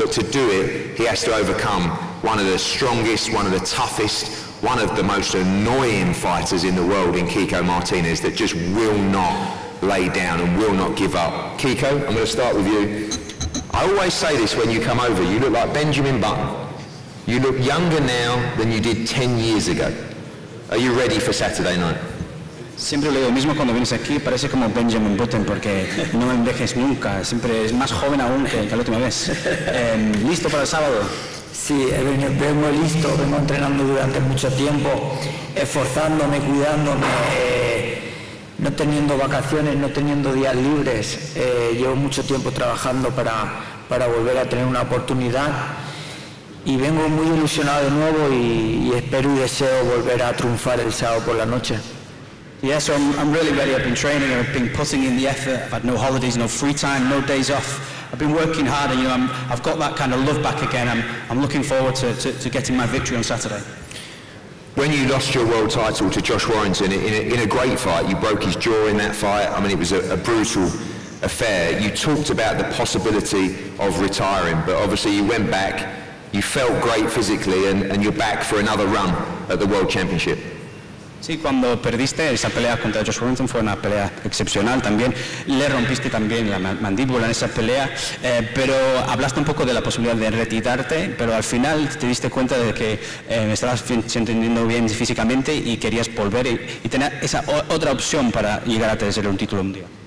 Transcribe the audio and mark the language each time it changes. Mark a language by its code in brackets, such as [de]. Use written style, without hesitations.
[en] But to do it, he has to overcome one of the strongest, one of the toughest, one of the most annoying fighters in the world in Kiko Martinez, that just will not lay down and will not give up. Kiko, I'm going to start with you. I always say this when you come over, you look like Benjamin Button. You look younger now than you did 10 years ago. Are you ready for Saturday night? [es] Siempre lo digo, mismo cuando vienes aquí, parece como Benjamin Button, porque no envejeces nunca. Siempre es más joven aún que la última vez. ¿Listo para el sábado? Sí, vengo listo, vengo entrenando durante mucho tiempo, esforzándome, cuidándome, no teniendo vacaciones, no teniendo días libres. Llevo mucho tiempo trabajando para volver a tener una oportunidad. Y vengo muy ilusionado de nuevo y espero y deseo volver a triunfar el sábado por la noche. [en] Yeah, so I'm really ready. I've been training, I've been putting in the effort. I've had no holidays, no free time, no days off. I've been working hard and, you know, I've got that kind of love back again. I'm looking forward to getting my victory on Saturday. When you lost your world title to Josh Warrington in a great fight, you broke his jaw in that fight. I mean, it was a brutal affair. You talked about the possibility of retiring, but obviously you went back, you felt great physically, and you're back for another run at the World Championship. [es] Sí, cuando perdiste esa pelea contra Josh Warrington, fue una pelea excepcional también. Le rompiste también la mandíbula en esa pelea, pero hablaste un poco de la posibilidad de retirarte, pero al final te diste cuenta de que estabas entendiendo bien físicamente y querías volver y tener esa otra opción para llegar a tener un título un día.